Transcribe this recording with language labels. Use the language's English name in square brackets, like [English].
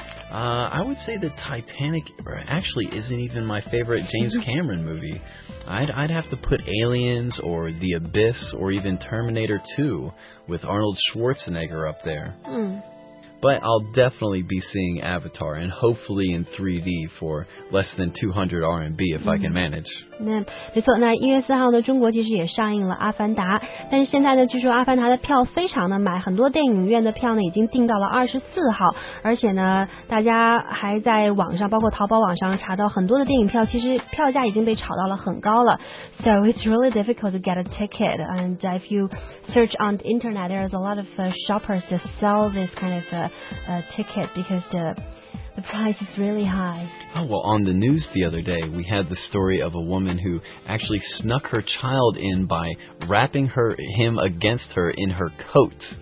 [English] I would say that Titanic actually isn't even my favorite James Cameron movie. I'd have to put Aliens or The Abyss or even Terminator 2 with Arnold Schwarzenegger up there. But I'll definitely be seeing Avatar, and hopefully in 3D for less than 200 RMB if I can manage. [Chinese] 没错，那1月4号呢，中国其实也上映了《阿凡达》，但是现在呢，据说《阿凡达》的票非常的满，很多电影院的票呢已经订到了24号，而且呢，大家还在网上，包括淘宝网上查到很多的电影票，其实票价已经被炒到了很高了。 [English] So it's really difficult to get a ticket, and if you search on the internet, there's a lot of shoppers that sell this kind of ticket because the price is really high. Oh, well, on the news the other day, we had the story of a woman who actually snuck her child in by wrapping him against her in her coat.